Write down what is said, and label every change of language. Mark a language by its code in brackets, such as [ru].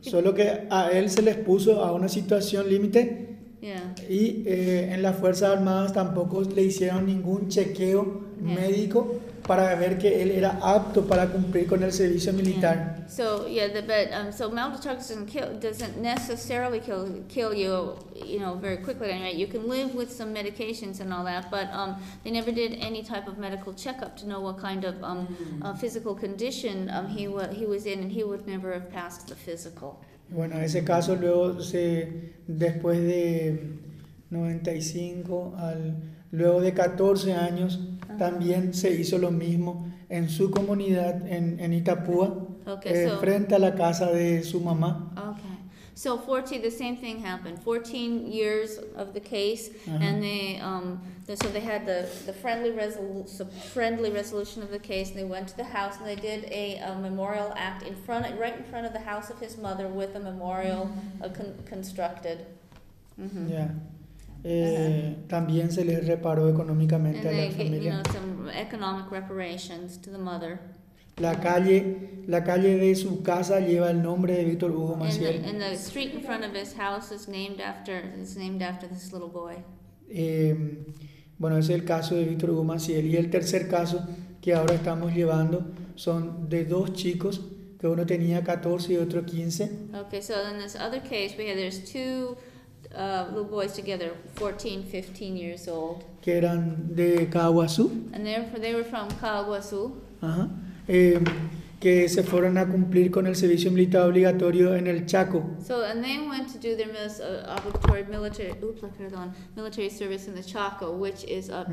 [es] Solo que a él se le expuso a una situación límite. [en] Yeah. [es] Y en las Fuerzas Armadas tampoco le hicieron ningún chequeo médico para ver que él era apto para cumplir con el servicio militar. [en] Yeah. So yeah, so mal de Chagas doesn't necessarily kill you, you know, very quickly. Anyway, you can live with some medications and all that, but they never did any type of medical checkup to know what kind of physical condition he was in, and he would never have passed the physical. [es] Bueno, ese caso luego después de 95 luego de 14 años. También se hizo lo mismo en su comunidad en Itapúa, frente a la casa de su mamá. [en] Okay. So 14, the same thing happened. 14 years of the case, uh-huh. And they had the friendly resolution of the case, and they went to the house, and they did a memorial act right in front of the house of his mother with a memorial constructed. Mm-hmm. Yeah. [es] También se le reparó económicamente a la familia. [en] You know, some economic reparations to the mother. [es] La calle de su casa lleva el nombre de Víctor Hugo Maciel. [en] And the street in front of his house is named after this little boy. [es] Bueno, ese es el caso de Víctor Hugo Maciel. Y el tercer caso que ahora estamos llevando son de dos chicos, que uno tenía 14 y otro 15. [en] Okay, so in this other case we have there's two little boys together, 14, 15 years old. [es] Que eran de Caguazú. [en] And they were from Caguazú. Ajá. [es] Que se fueron a cumplir con el servicio militar obligatorio en el Chaco. [en] So, and they went to do their obligatory military service in the Chaco, which is up mm-hmm.